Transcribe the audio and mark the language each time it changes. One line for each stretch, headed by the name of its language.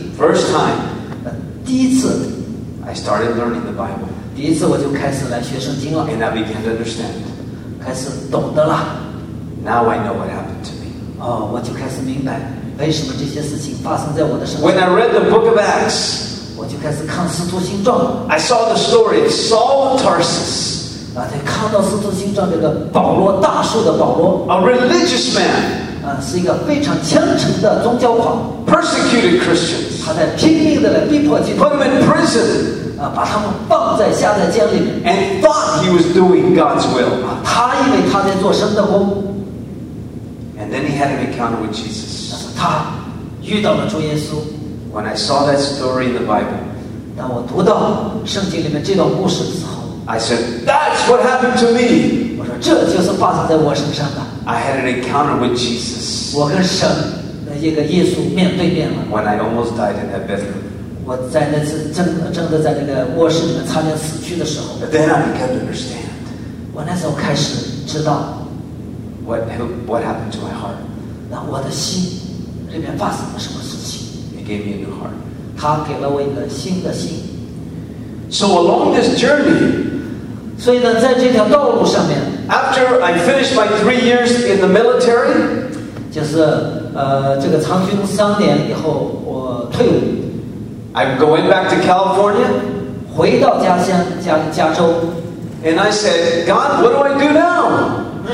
English: First time.
Chinese: 第一次。
English: I started learning the Bible.
Chinese: 第一次我就开始来学圣经了。
English: And I began to understand.
Chinese: 开始懂得了。
English: Now I know what happened to me.
Chinese: 哦，我就开始明白为什么这些事情发生在我的身上。
English: When I read the Book of Acts,
Chinese: 我就开始看《使徒行传》。
English: I saw the story of Saul of Tarsus.
Chinese: 啊，才看到《使徒行传》这个保罗，大树的保罗。
English: A religious man.
Chinese: 啊，是一个非常虔诚的宗教狂。
English: Persecuted Christians.
Chinese: 他在拼命的来逼迫基督徒。
English: Put them in prison.
Chinese: 把他们放在下在监里面。
English: And thought he was doing God's will.
Chinese: 他以为他在做神的工。
English: And then he had an encounter with Jesus.
Chinese: 但是他遇到了主耶稣。
English: When I saw that story in the Bible.
Chinese: 当我读到圣经里面这段故事的时候。
English: I said, that's what happened to me.
Chinese: 我说这就是发生在我身上的。
English: I had an encounter with Jesus.
Chinese: 我跟神。一个耶稣面对面了。
English: When I almost died in that bedroom.
Chinese: 我在那次真的在那个卧室里面差点死去的时候。
English: But then I began to understand.
Chinese: 我那时候开始知道。
English: What happened to my heart?
Chinese: 那我的心里面发生了什么事情？
English: He gave me a new heart.
Chinese: 他给了我一个新的心。
English: So along this journey.
Chinese: 所以呢，在这条道路上面。
English: After I finished my 3 years in the military.
Chinese: 就是。这个长军3年以后，我退伍。
English: I'm going back to California.
Chinese: 回到家乡加州。
English: And I said, God, what do I do now?